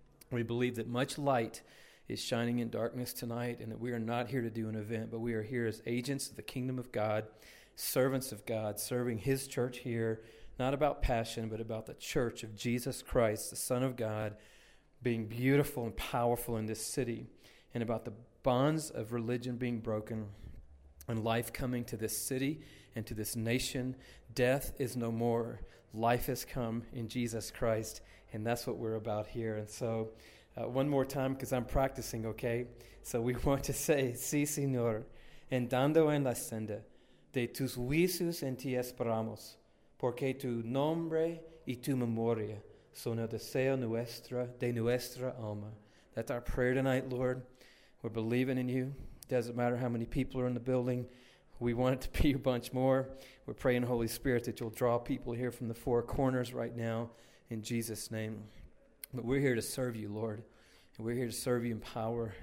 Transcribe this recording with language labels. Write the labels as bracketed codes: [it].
[en] We believe that much light is shining in darkness tonight, and that we are not here to do an event, but we are here as agents of the kingdom of God, servants of God, serving his church here, not about passion, but about the church of Jesus Christ, the Son of God, being beautiful and powerful in this city, and about the bonds of religion being broken and life coming to this city and to this nation. Death is no more. Life has come in Jesus Christ, and that's what we're about here. And so one more time, because I'm practicing, okay? So we want to say, [es] sí, Señor, andando en la senda de tus juicios en ti esperamos, porque tu nombre y tu memoria son el deseo nuestro de nuestra alma. [en] That's our prayer tonight, Lord. We're believing in you. Doesn't matter how many people are in the building. We want it to be a bunch more. We're praying, Holy Spirit, that you'll draw people here from the four corners right now in Jesus' name. But we're here to serve you, Lord. And we're here to serve you in power.